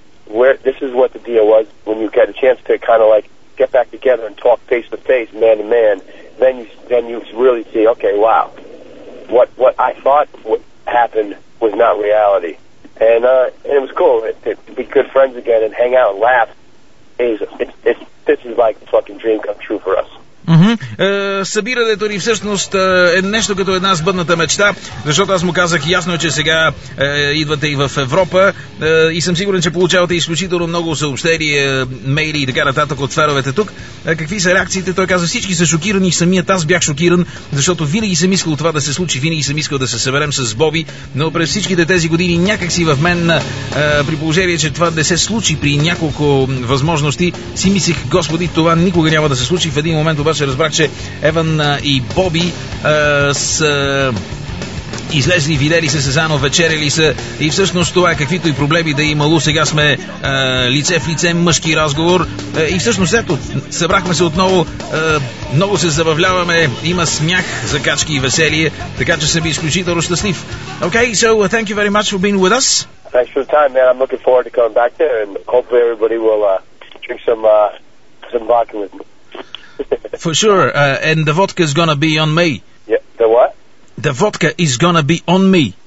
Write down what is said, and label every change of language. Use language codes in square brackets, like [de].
[en] Where this is what the deal was. When you get a chance to kind of like get back together and talk face to face, man to man, then you really see, okay, wow, what I thought happened was not reality. And it was cool to be good friends again and hang out and laugh. This is like a fucking dream come true for us. Mm-hmm. [bg] Събирането ни всъщност е нещо като една сбъдната мечта, защото аз му казах ясно, че сега идвате и в Европа, и съм сигурен, че получавате изключително много съобщения, мейли и така нататък от феновете тук. Какви са реакциите? Той каза, всички са шокирани, самият аз бях шокиран, защото винаги съм искал това да се случи, винаги съм искал да се съберем с Боби, но през всичките тези години някакси в мен, при положение, че това не се случи при няколко възможности, си мислих, Господи, това никога няма да се случи. В един момент обаче разбрах, че Еван и Боби са излезли, видели се заедно, вечерили са, и всъщност това е, каквито и проблеми да е имало, сега сме лице в лице, мъжки разговор, и всъщност ето, събрахме се отново, много се забавляваме, има смях, закачки и веселие, така че съм изключително щастлив. [en] Okay, so thank you very much for being with us. Thanks for the time, man. I'm looking forward to coming back there, and hopefully everybody will drink some vodka with me. For sure, and the vodka is gonna be on me. Yeah, the what? The vodka is gonna be on me.